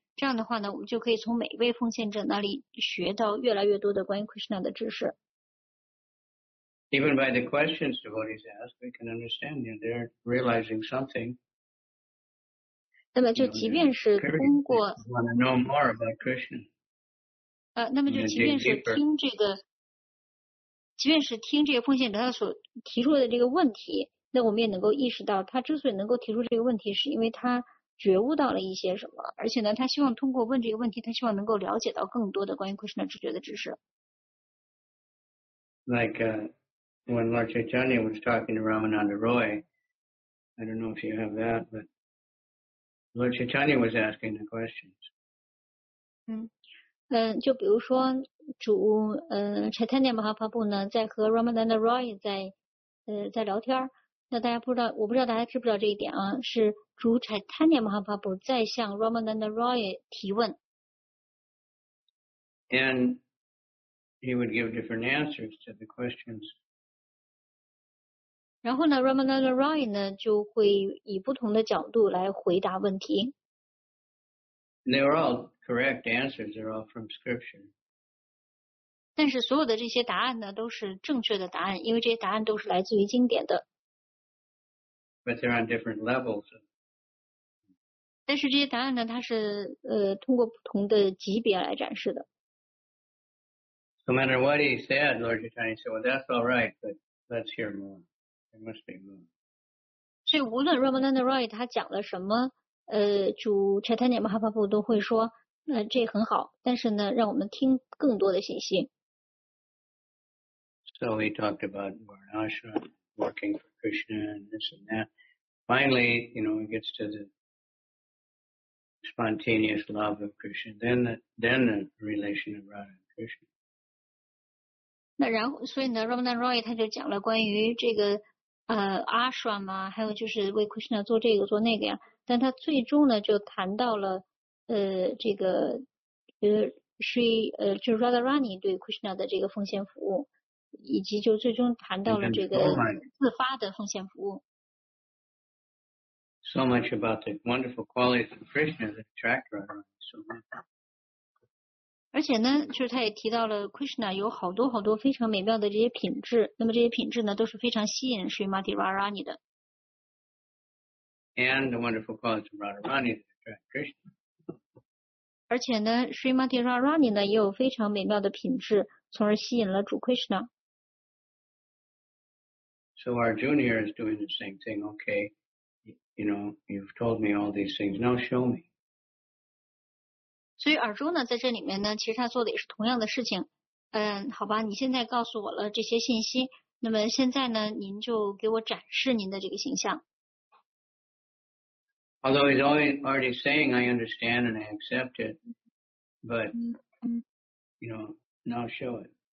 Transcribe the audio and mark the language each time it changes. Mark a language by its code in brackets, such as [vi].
[zh] 这样的话呢，我们就可以从每位奉献者那里学到越来越多的关于 Krishna 的知识。 [en] Even by the questions devotees ask, we can understand that they're realizing something. [zh] 那么就即便是通过 [en] want to know more about Krishna. [zh] 那么就即便是听这个，奉献者他所提出的这个问题，那我们也能够意识到，他之所以能够提出这个问题，是因为他觉悟到了一些什么，而且呢，他希望通过问这个问题，他希望能够了解到更多的关于 Krishna 直觉的知识。 [en] Like when Lord Chaitanya was talking to Ramananda Roy, I don't know if you have that, but Lord Chaitanya was asking the questions. [zh] 就比如说主Chaitanya Mahaprabhu 呢，在和 Ramananda Roy 在聊天。那大家不知道，我不知道大家知不知道这一点啊？是主 Chaitanya Mahaprabhu 在向 Ramananda Roy 提问。 [en] And he would give different answers to the questions. [zh] 然后呢 ，Ramananda Roy 呢就会以不同的角度来回答问题。 [en] They were all correct answers. They're all from scripture. [zh] 但是所有的这些答案呢都是正确的答案，因为这些答案都是来自于经典的。 [en] But they're on different levels. [zh] 但是这些答案呢，它是通过不同的级别来展示的。 [en] No matter what he said, Lord Chaitanya said, "Well, that's all right, but let's hear more. There must be more." [zh] 所以无论 Ramananda Roy 他讲了什么，主 Chaitanya Mahaprabhu 都会说，这很好，但是呢，让我们听更多的信息。 [en] So he talked about Varnashram. Working for Krishna and this and that. Finally, you know, it gets to the spontaneous love of Krishna. Then the relation of Radha and Krishna. [zh] 那然后，所以呢 ，Ramana Roy 他就讲了关于这个ashram 啊，还有就是为 Krishna 做这个做那个呀。但他最终呢，就谈到了这个就是 Radharani 对 Krishna 的这个奉献服务。以及就最终谈到了这个自发的奉献服务。 [en] So much about the wonderful qualities of Krishna that attract Radharani so much. [zh] 而且呢，就是他也提到了 Krishna 有好多好多非常美妙的这些品质，那么这些品质呢，都是非常吸引 Srimati Radharani 的。 [en] And the wonderful qualities of Radharani that attract Krishna. [zh] 而且呢 ，Srimati Radharani 呢也有非常美妙的品质，从而吸引了主 Krishna。 [en] So Arjuna here is doing the same thing. Okay, you know, you've told me all these things. Now show me. [zh] 所以 Arjuna 在这里面呢，其实他做的也是同样的事情。好吧，你现在告诉我了这些信息，那么现在呢，您就给我展示您的这个形象。 [en] Although he's already saying, I understand and I accept it, but, you know, now show it.